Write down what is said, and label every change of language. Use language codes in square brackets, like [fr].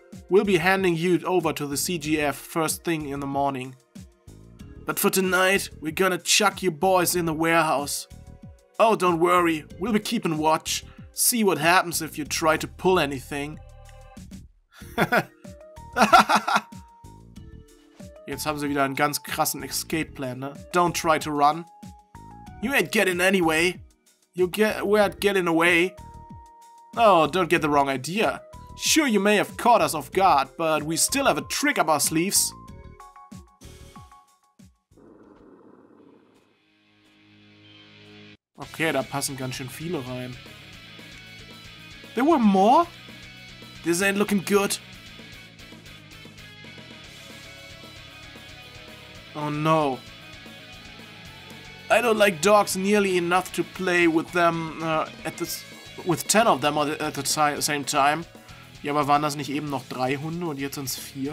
[en] We'll be handing you over to the CGF first thing in the morning. But for tonight, we're gonna chuck you boys in the warehouse. Oh, don't worry. We'll be keeping watch. See what happens if you try to pull anything. [de] Jetzt haben sie wieder einen ganz krassen Escape-Plan, ne? [en] Don't try to run. You ain't getting anyway. We're getting away. Oh, don't get the wrong idea. Sure, you may have caught us off guard, but we still have a trick up our sleeves. [de] Okay, da passen ganz schön viele rein. [en] There were more? This ain't looking good. Oh no. I don't like dogs nearly enough to play with them with 10 of them at the same time. [de] Ja, aber waren das nicht eben noch 3 Hunde und jetzt sind's 4?